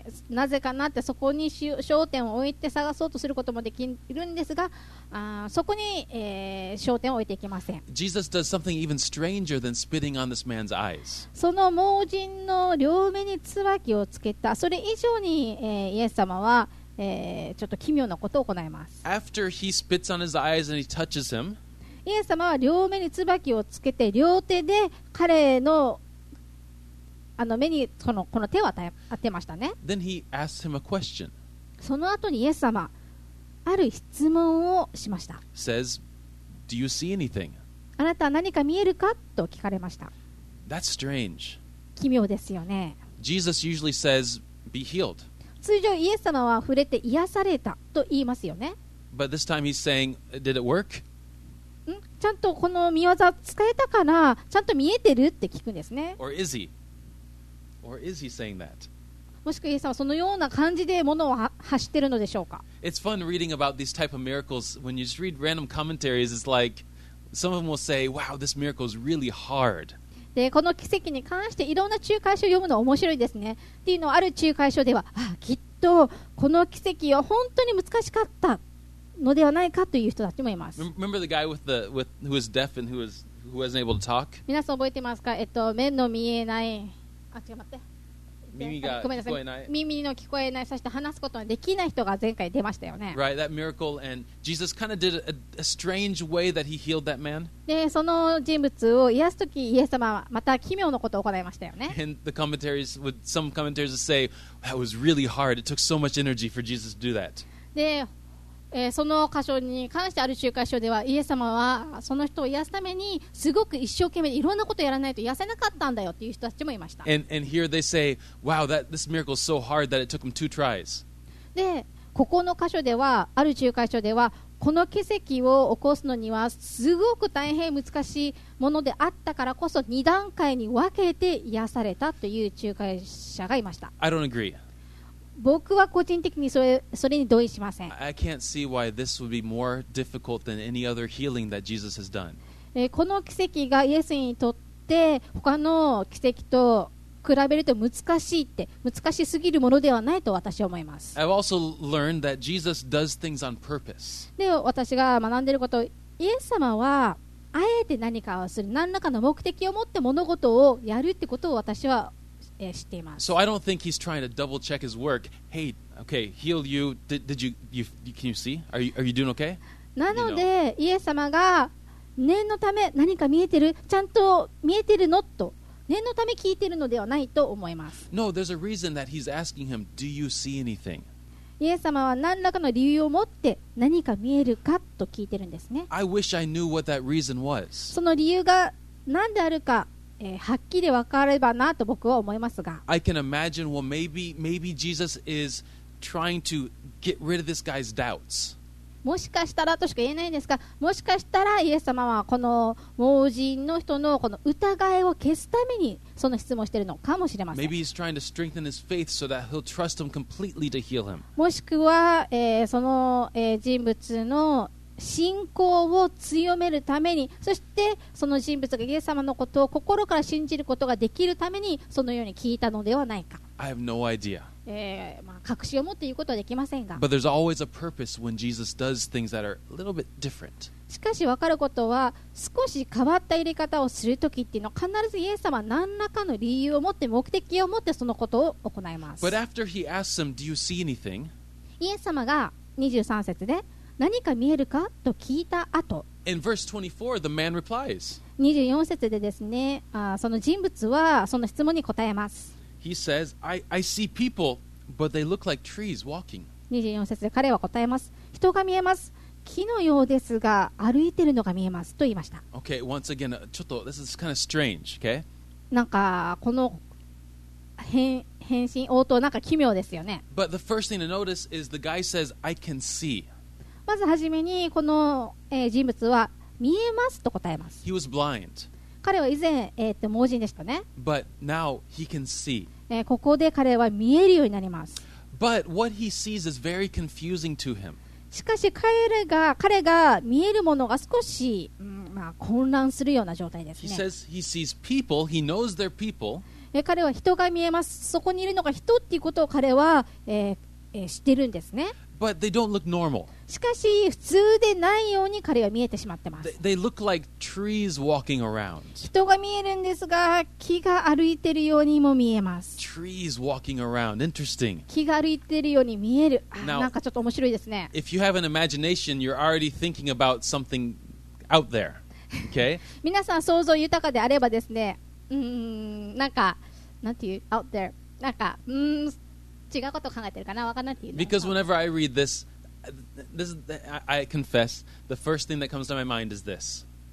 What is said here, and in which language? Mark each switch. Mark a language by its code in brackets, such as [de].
[ja] なぜかなってそこに焦点を置いて探そうとすることもできるんですが、そこに、焦点を置いていけません。 [en] Jesus does something even stranger than spitting on this man's eyes. [ja] その盲人の両目に唾をつけた。それ以上に、イエス様は、ちょっと奇妙なことを行います。 [en] After he spits on his eyes and he touches him, [ja] イエス様は両目に椿をつけて両手で彼の目にこの手を当てましたね。 [en] Then he asked him a question. [ja] その後にイエス様ある質問をしました。 [en] Says, Do you see anything? [ja] あなたは何か見えるかと聞かれました。 [en] That's strange. [ja] 奇妙ですよね。 [en] Jesus usually says, Be healed. [ja] 通常イエス様は触れて癒されたと言いますよね。 [en] But this time he's saying, Did it work? [ja] ちゃんとこの見技使えたかな、ちゃんと見えてるって聞くんですね。 [en] Or is he? Or is he saying that? [ja] もしくはイエス様はそのような感じで物を発してるのでしょうか。 [en] It's fun reading about these type of miracles. When you just read random commentaries, it's like some of them will say, Wow, this miracle is really hard. [ja] でこの奇跡に関していろんな仲介書を読むの面白いですね。っていうのはある仲介書では、きっとこの奇跡は本当に難しかったのではないかという人たちもいます。 [en] Remember the guy who was deaf and who wasn't able to talk? [ja] 皆さん覚えてますか、目の見えない、耳の聞こえない、そして話すことができない人が前回出ましたよね。 [en] Right, that miracle, and Jesus kind of did a strange way that he healed that man. [ja] で、その人物を癒すときイエス様はまた奇妙なことを行いましたよね。 [en] And the commentaries, with some commentaries would say, that was really hard. It took so much energy for Jesus to do that. [ja] で、その箇所に関してある仲介書ではイエス様はその人を癒すためにすごく一生懸命いろんなことをやらないと癒せなかったんだよという人たちもいました。 [en] And here they say, Wow, this miracle is so hard that it took him two tries. [ja] で、ここの箇所ではある仲介書ではこの奇跡を起こすのにはすごく大変難しいものであったからこそ2段階に分けて癒されたという仲介者がいました。 [en] I don't agree. [ja] 僕は個人的にそれに同意しません。 [en] I can't see why this would be more difficult than any other healing that Jesus has done. [ja] この奇跡がイエスにとって他の奇跡と比べると難しすぎるものではないと私は思います。 [en] I've also learned that Jesus does things on purpose. [ja] で、私が学んでいること、イエス様はあえて何かをする、何らかの目的を持って物事をやるってことを私は知っています。 [en] So I don't think he's trying to double check his work. Hey, okay, healed you. Did you can you see? Are you doing okay? [ja] なのでイエス様が念のため何か見えてる、ちゃんと見えてるのと念のため聞いてるのではないと思います。 [en] No, there's a reason that he's asking him, Do you see anything? [ja] イエス様は何らかの理由を持って何か見えるかと聞いてるんですね。 [en] I wish I knew what that reason was. [ja] その理由が何であるかはっきり分かればなと僕は思いますが、 [en] I can imagine, well, maybe Jesus is trying to get rid of this guy's doubts. [ja] もしかしたらとしか言えないんですが、もしかしたらイエス様はこの盲人の人のこの疑いを消すためにその質問しているのかもしれません。 [en] Maybe he's trying to strengthen his faith so that he'll trust him completely to heal him. [ja] もしくは、その、人物の信仰を強めるために、そしてその人物がイエス様のことを心から信じることができるためにそのように聞いたのではないか。 [en] I have no idea. [ja] 確信を持って言うことはできませんが、 [en] But there's always a purpose when Jesus does things that are a little bit different. [ja] しかし分かることは、少し変わった入れ方をするときっていうのは必ずイエス様は何らかの理由を持って目的を持ってそのことを行います。 [en] But after he asks him, Do you see anything? [ja] イエス様が23節で何か見えるかと聞いた後、 [en] In verse 24, the man replies. [ja] 24節でですね、その人物はその質問に答えます。 [en] He says, I see people, but they look like trees walking. [ja] 24節で彼は答えます。人が見えます、木のようですが歩いているのが見えますと言いました。 [en] Okay, once again, [ja] ちょっと [en] this is kind of strange, okay? [ja] なんかこの返信応答なんか奇妙ですよね。 [en] But the first thing to notice is the guy says, I can see [ja] まずはじめにこの人物は見えますと答えます。 [en] He was blind. [ja] 彼は以前、盲人でしたね。 [en] But now he can see. [ja] ここで彼は見えるようになります。 [en] But what he sees is very confusing to him. [ja] しかし彼が見えるものが少し、混乱するような状態ですね。 [en] He says he sees people. He knows their people. [ja] 彼は人が見えます。そこにいるのが人っていうことを彼は、知ってるんですね。 [en] But they don't look normal. [ja] しかし普通でないように彼は見えてしまってます。 [en] they look like trees walking around. [ja] 人が見えるんですが木が歩いてるようにも見えます。 [en] trees walking around. Interesting. [ja] 木が歩いてるように見える。 [en] Now, [ja] なんかちょっと面白いですね。 [en] If you have an imagination, you're already thinking about something out there. Okay. [ja] 皆さん想像豊かであればですね、なんか、なんていう、 [en] out there、 [ja] なんか、違うこと考えてるかな、わかんないっていう。 [en] Because whenever I read this, this is the, I confess, the first thing that comes to my mind is this.